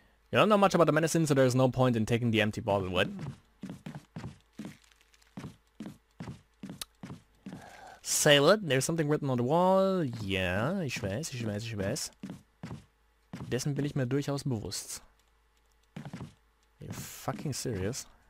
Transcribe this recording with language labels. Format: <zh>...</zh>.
<en>You don't know much about the medicine, so there's no point in taking the empty bottle, would. Say what? There's something written on the wall.</en> <de>Ja, ich weiß, ich weiß, ich weiß. Dessen bin ich mir durchaus bewusst.</de> <en>Are you fucking serious?</en>